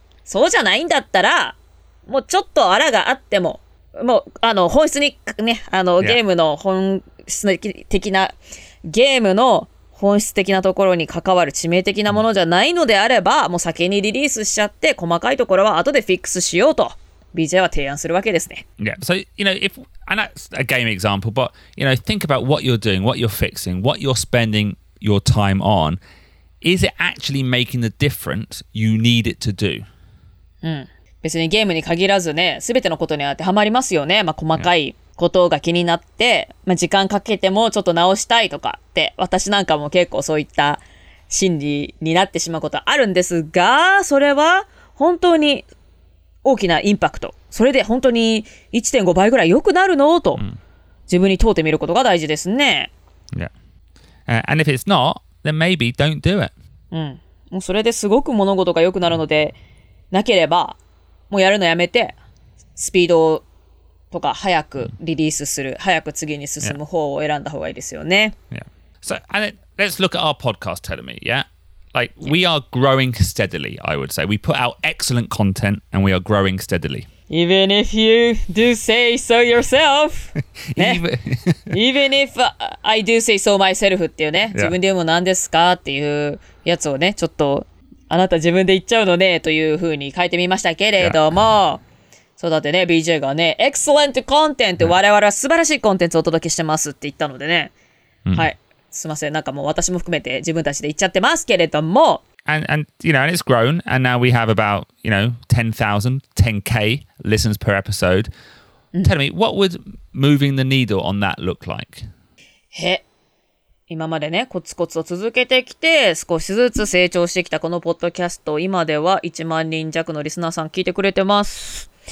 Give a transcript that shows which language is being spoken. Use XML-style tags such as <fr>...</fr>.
<ja>そうじゃないんだったら、もうちょっとアラがあっても、もう、本質にね、ゲームの本質的な、</ja> <en>Yeah.</en> <ja>ゲームの本質的なところに関わる致命的なものじゃないのであれば、もう先にリリースしちゃって、細かいところは後でフィックスしようと、BJ は提案するわけですね。</ja> <en>Yeah, so, you know, if, and that's a game example, but, you know, think about what you're doing, what you're fixing, what you're spending your time on. Is it actually making the difference you need it to do?</en> <ja>うん。別にゲームに限らずね、すべてのことに当てはまりますよね。まあ、細かい。</ja> <en>Yeah.</en> <ja>ことが気になって、まあ、時間かけてもちょっと直したいとかって、私なんかも結構そういった心理になってしまうことあるんですが、それは本当に大きなインパクト。それで本当に 1.5 倍ぐらい良くなるのと、自分に問うてみることが大事ですね。</ja> <en>Yeah. And if it's not, then maybe don't do it.</en> <ja>うん。もうそれですごく物事が良くなるので、なければ、もうやるのやめて、スピードをとか早くリリースする、早く次に進む方を選んだ方がいいですよね。</ja> <en>Yeah. So, and then, let's look at our podcast, tell me, yeah? Like, we are growing steadily, I would say. We put out excellent content and we are growing steadily. Even if you do say so yourself. Even if I do say so myself</en> <ja>っていうね、自分で言うも何ですかっていうやつをね、ちょっとあなた自分で言っちゃうのねというふうに書いてみましたけれども、</ja> <en>yeah.</en> <ja>そうだってね、BJ がね、</ja> <en>excellent content、</en> <ja>我々は素晴らしいコンテンツをお届けしてますって言ったのでね。うん、はい。すいません、なんかもう私も含めて自分たちで言っちゃってますけれども。</ja> <en>And you know, and it's grown, and now we have about, you know, 10,000, 10K listens per episode. Tell me, what would moving the needle on that look like?</en> <ja>へ。今までね、コツコツを続けてきて、少しずつ成長してきたこのポッドキャスト、今では1万人弱のリスナーさん聞いてくれてます。</ja>